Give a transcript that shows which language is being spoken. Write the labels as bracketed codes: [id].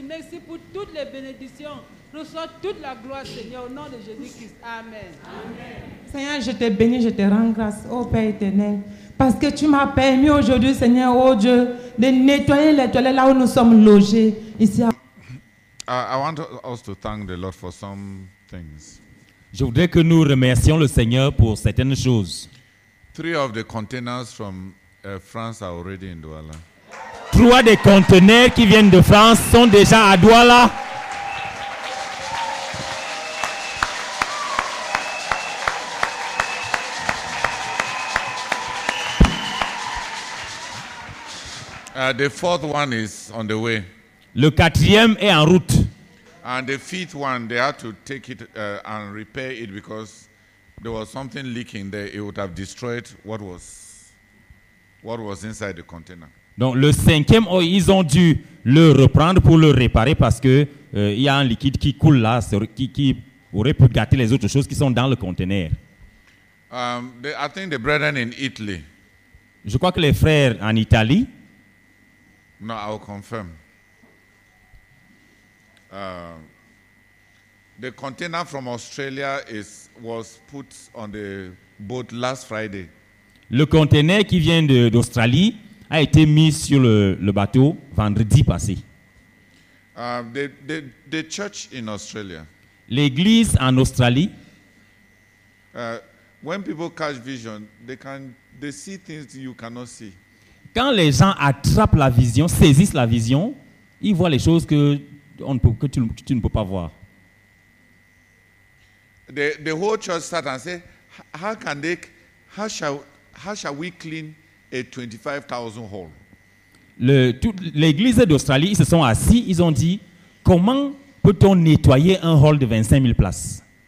[fr] Merci pour toutes les bénédictions. Reçois toute la gloire, Seigneur, au nom de Jésus-Christ. Amen. Amen. Seigneur, je te bénis, je te rends grâce, ô Père éternel, parce que tu m'as permis aujourd'hui, Seigneur, ô Dieu, de nettoyer les toilettes là où nous sommes logés, ici à... [en] I want us to thank the Lord for some things. [fr] Je voudrais que nous remercions le Seigneur pour certaines choses. [en] Three of the containers from France are already in Douala. [fr] Trois des conteneurs qui viennent de France sont déjà à Douala. [en] The fourth one is on the way. [fr] Le quatrième est en route. [en] And the fifth one, they had to take it and repair it because there was something leaking there. It would have destroyed what was inside the container. [fr] Donc le cinquième, oh, ils ont dû le reprendre pour le réparer parce que il y a un liquide qui coule là, qui aurait pu gâter les autres choses qui sont dans le conteneur. [en] I think the brethren in Italy. [fr] Je crois que les frères en Italie. [en] No, I'll confirm. The container from Australia was put on the boat last Friday. [fr] Le conteneur qui vient d'Australie a été mis sur le bateau vendredi passé. [en] The church in Australia. [fr] L'église en Australie. [en] When people catch vision, they see things you cannot see. [fr] Quand les gens attrapent la vision, saisissent la vision, ils voient les choses que tu ne peux pas voir. [en] The whole church sat and said, how shall we clean a 25,000 hall? [fr] L'église d'Australie, ils se sont assis, ils ont dit, comment peut-on nettoyer un hall de 25 000 places?